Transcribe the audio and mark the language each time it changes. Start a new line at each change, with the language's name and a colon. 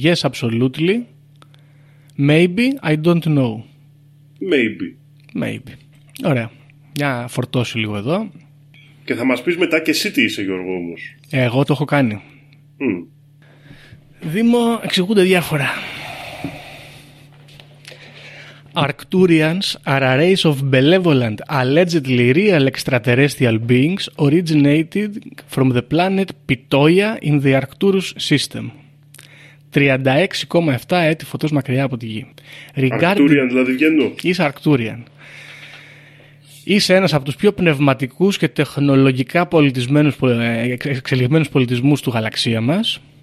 English: Yes, absolutely. Maybe, I don't know. Maybe. Maybe.
Greek: Ωραία. Για να φορτώσει λίγο εδώ. Και θα μας πεις μετά και εσύ τι είσαι, Γιώργο, όμως. Εγώ το έχω κάνει. Δήμο, εξηγούνται διάφορα.
English: Arcturians are a race of benevolent, allegedly real extraterrestrial beings originated from the planet Pitoia in the Arcturus system.
Greek: 36,7 έτη φωτός μακριά από τη Γη. Arcturian, δηλαδή βγαίνω. Είσαι Arcturian. Είσαι ένας από τους πιο πνευματικούς και τεχνολογικά εξελιγμένους πολιτισμούς του γαλαξία μας.